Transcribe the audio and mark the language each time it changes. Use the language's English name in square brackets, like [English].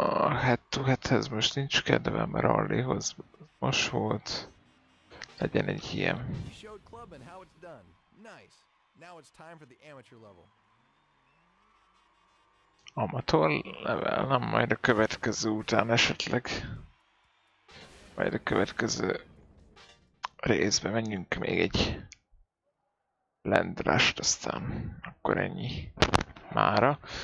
[Hungarian] Hát, most nincs kedve, mert Arlihoz most volt. Legyen egy ilyen. [English] You showed clubbing how it's done. Nice. Now it's time for the amateur level. [Hungarian] Amatőr level, nem majd a következő után esetleg. Majd a következő részbe menjünk még egy lendrást, aztán akkor ennyi mára.